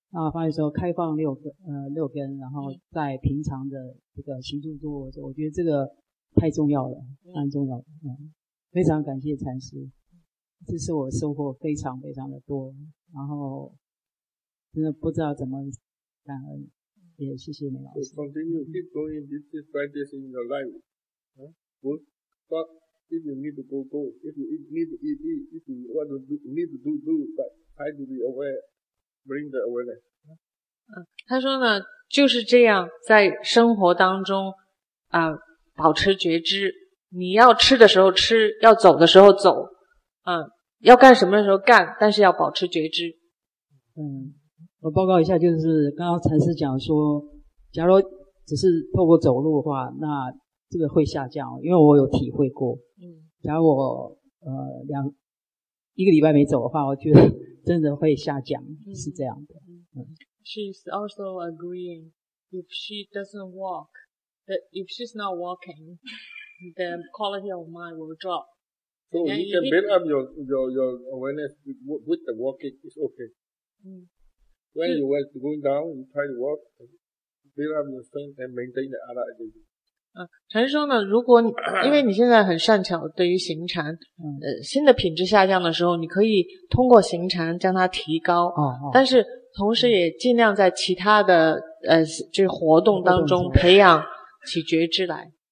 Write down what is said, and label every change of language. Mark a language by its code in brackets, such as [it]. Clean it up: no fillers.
[zh] 啊，发现说开放六根，然后在平常的这个行住坐卧，我觉得这个太重要了，蛮重要的。嗯，非常感谢禅师，这是我收获非常非常的多，然后真的不知道怎么感恩，也谢谢你老师。 [en] Continue, keep going, this is practice in your life. But if you need to go, if you need to eat, if you want to do, need to do, but try to be aware. Bring the awareness. [zh] 他说呢，就是这样，在生活当中，保持觉知。你要吃的时候吃，要走的时候走，要干什么的时候干，但是要保持觉知。嗯，我报告一下，就是刚刚禅师讲说，假如只是透过走路的话，那这个会下降，因为我有体会过。嗯，假如我一个礼拜没走的话，我觉得。真的会下降、嗯、是这样的、 [en] 嗯、She's also agreeing if she doesn't walk if she's not walking the quality of mind will drop So you can build up your awareness with the walking it's okay、嗯、 When you are going down you try to walk build up your strength and maintain the other ability、 [zh] 禅说呢如果因为你现在很善巧对于行禅心的品质下降的时候你可以通过行禅将它提高、但是同时也尽量在其他的就是活动当中培养起觉知来